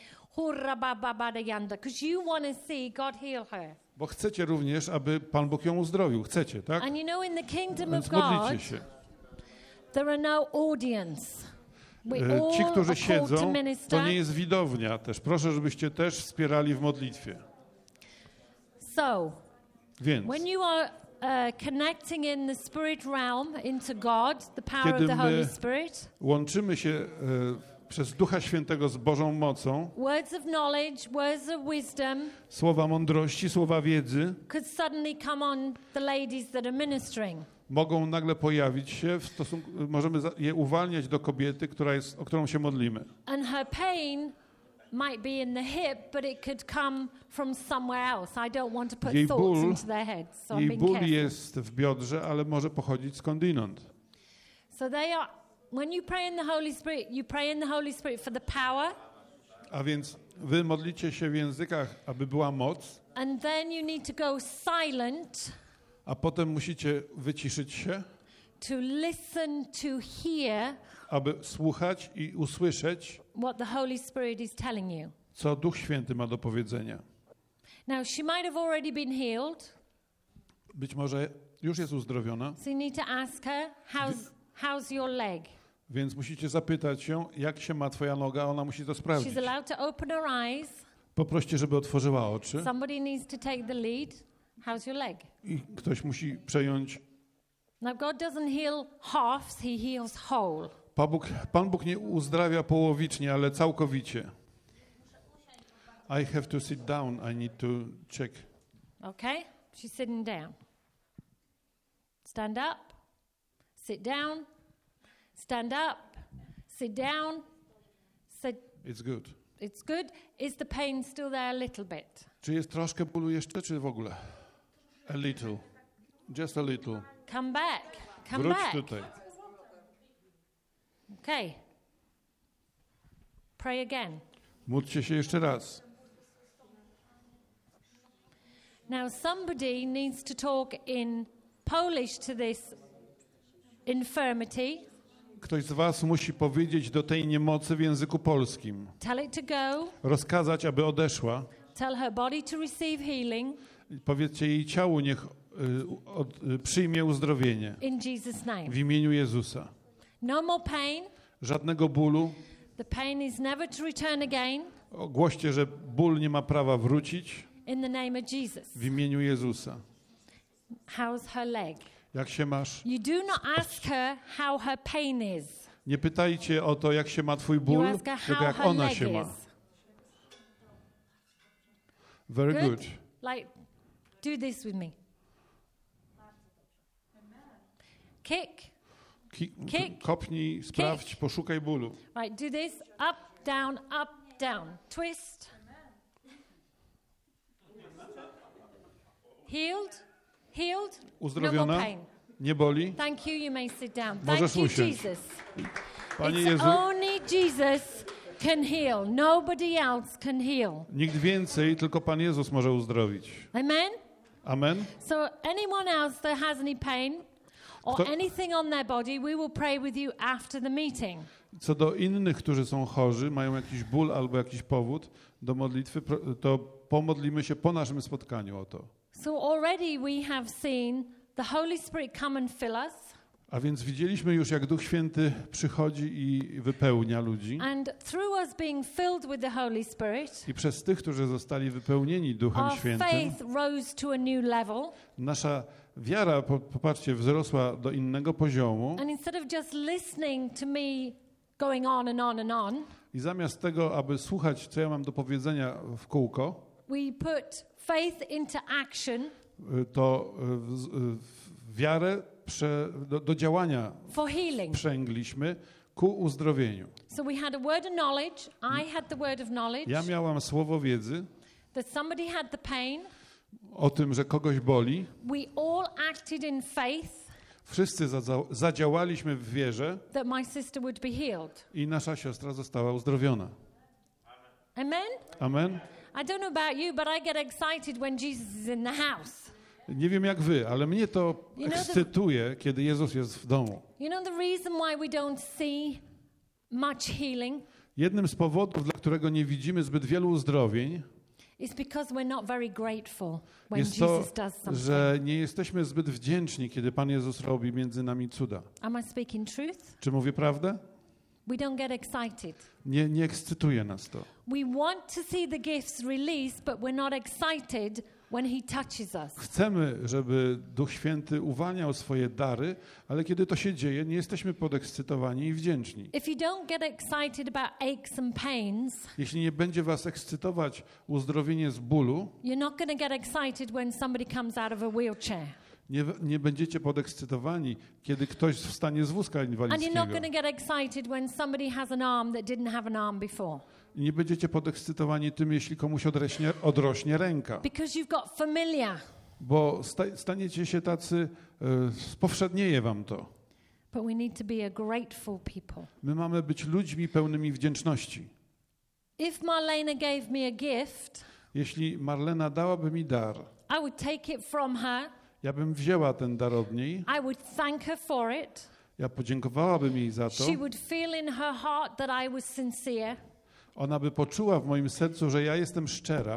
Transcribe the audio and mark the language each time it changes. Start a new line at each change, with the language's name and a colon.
English: Hurra baba baba yanda, because you want to see God heal her.
Polish: Bo chcecie również, aby Pan Bóg ją uzdrowił. Chcecie, tak?
English: And you know, in the kingdom of God, there are no audience.
Polish: Ci, którzy siedzą, to nie jest widownia też. Proszę, żebyście też wspierali w modlitwie.
English: So,
Polish: więc,
English: when you are connecting in the spirit realm into God, the power of the Holy Spirit,
Polish: łączymy się przez Ducha Świętego z Bożą mocą.
English: Words of knowledge, words of wisdom,
Polish: słowa mądrości, słowa wiedzy
English: could suddenly come on the ladies that are ministering.
Polish: Mogą nagle pojawić się w stosunku, możemy je uwalniać do kobiety, która jest, o którą się modlimy.
English: And her pain might be in the hip, but it could come from somewhere else. I don't want to put
Polish: jej ból,
English: thoughts into their heads, so I'm being
Polish: ból
English: careful.
Polish: Jest w biodrze, ale może pochodzić skądinąd.
English: So they are. When you pray in the Holy Spirit, you pray in the Holy Spirit for the power.
Polish: A więc wy modlicie się w językach, aby była moc.
English: And then you need to go silent.
Polish: A potem musicie wyciszyć się.
English: To listen, to hear.
Polish: Aby słuchać i usłyszeć.
English: What the Holy Spirit is telling you.
Polish: Co Duch Święty ma do powiedzenia.
English: Now she might have already been healed.
Polish: Być może już jest uzdrowiona.
English: So you need to ask her how's your leg?
Polish: Więc musicie zapytać ją, jak się ma twoja noga, ona musi to sprawdzić.
English: She's allowed to open her eyes.
Polish: Poproście, żeby otworzyła oczy.
English: Somebody needs to take the lead. How's your leg?
Polish: I ktoś musi przejąć.
English: Now God doesn't heal halves, he heals whole.
Polish: Pan Bóg nie uzdrawia połowicznie, ale całkowicie.
English: I have to sit down, I need to check. Okay, she's sitting down. Stand up. Sit down, stand up, sit down, sit. It's good. It's good. Is the pain still there a little bit?
Polish: Czy jest troszkę bólu jeszcze, czy w ogóle?
English: A little. Just a little. Come back. Come
Polish: Wróć
English: back.
Polish: Tutaj.
English: Okay. Pray again.
Polish: Módlcie się jeszcze raz.
English: Now somebody needs to talk in Polish to this infirmity.
Polish: Ktoś z was musi powiedzieć do tej niemocy w języku polskim.
English: Tell it to go.
Polish: Rozkazać, aby odeszła.
English: Tell her body to receive healing.
Polish: Powiedzcie jej ciału, niech przyjmie uzdrowienie.
English: In Jesus name.
Polish: W imieniu Jezusa.
English: No more pain.
Polish: Żadnego bólu.
English: The pain is never to return again.
Polish: Ogłoście, że ból nie ma prawa wrócić.
English: In the name of Jesus.
Polish: W imieniu Jezusa.
English: How's her leg?
Polish: Jak się masz?
English: You do not ask her how her pain is.
Polish: Nie pytajcie o to, jak się ma twój ból, tylko jak ona się ma.
English: Very good. Like, do this with me. Kick.
Polish: Kick. Kopnij, sprawdź, kick. Poszukaj bólu.
English: Right, do this. Up, down, up, down. Twist. Healed.
Polish: Uzdrowiona.
English: No more pain.
Polish: Nie boli.
English: Thank you. You may sit down.
Polish: Możesz
English: Thank
Polish: usiąść.
English: You, Jesus.
Polish: Panie
English: It's
Polish: Jezu.
English: Only Jesus can heal. Nobody else can heal.
Polish: Nikt więcej, tylko Pan Jezus może uzdrowić.
English: Amen.
Polish: Amen.
English: So anyone else that has any pain or anything on their body, we will pray with you after the meeting.
Polish: Co do innych, którzy są chorzy, mają jakiś ból albo jakiś powód do modlitwy, to pomodlimy się po naszym spotkaniu o to.
English: So already we have seen the Holy Spirit come and fill us.
Polish: A więc widzieliśmy już, jak Duch Święty przychodzi i wypełnia ludzi.
English: And through us being filled with the Holy Spirit.
Polish: I przez tych, którzy zostali wypełnieni Duchem
English: our
Polish: Świętym.
English: Faith rose to a new level.
Polish: Nasza wiara, popatrzcie, wzrosła do innego poziomu.
English: And instead of just listening to me going on and on and on.
Polish: I zamiast tego, aby słuchać, co ja mam do powiedzenia w kółko.
English: We put faith into action.
Polish: To wiarę do działania przęgliśmy ku uzdrowieniu.
English: So we had a word of knowledge. I had the word of knowledge.
Polish: Ja miałam słowo wiedzy.
English: That somebody had the pain.
Polish: O tym, że kogoś boli.
English: We all acted in faith.
Polish: Wszyscy zadziałaliśmy w wierze.
English: That my sister would be healed.
Polish: I nasza siostra została uzdrowiona.
English: Amen.
Polish: Amen.
English: I don't know about you, but I get excited when Jesus is in the house.
Polish: Nie wiem jak wy, ale mnie to ekscytuje, kiedy Jezus jest w domu.
English: You know the reason why we don't see much healing?
Polish: Jednym z powodów, dla którego nie widzimy zbyt wielu uzdrowień,
English: is because we're not very grateful when
Polish: jest to,
English: Jesus does something.
Polish: Że nie jesteśmy zbyt wdzięczni, kiedy Pan Jezus robi między nami cuda.
English: Am I speaking truth?
Polish: Czy mówię prawdę?
English: We don't get excited.
Polish: Nie ekscytuje nas to.
English: We want to see the gifts released, but we're not excited when he touches us.
Polish: Chcemy, żeby Duch Święty uwalniał swoje dary, ale kiedy to się dzieje, nie jesteśmy podekscytowani i wdzięczni.
English: If you don't get excited about aches and pains,
Polish: jeśli nie będzie was ekscytować uzdrowienie z bólu,
English: you're not going to get excited when somebody comes out of a wheelchair.
Polish: Nie będziecie podekscytowani, kiedy ktoś wstanie z wózka inwalidzkiego. Nie będziecie podekscytowani tym, jeśli komuś odrośnie ręka.
English: Because you've got familiar.
Polish: Bo staniecie się tacy, spowszednieje wam to.
English: But we need to be a grateful people.
Polish: My mamy być ludźmi pełnymi wdzięczności.
English: If Marlena gave me a gift,
Polish: jeśli Marlena dałaby mi dar,
English: I would take it from her.
Polish: Ja bym wzięła ten dar od niej.
English: I would thank her for it.
Polish: Ja podziękowałabym jej za to.
English: She would feel in her heart that I was sincere.
Polish: Ona by poczuła w moim sercu, że ja jestem szczera.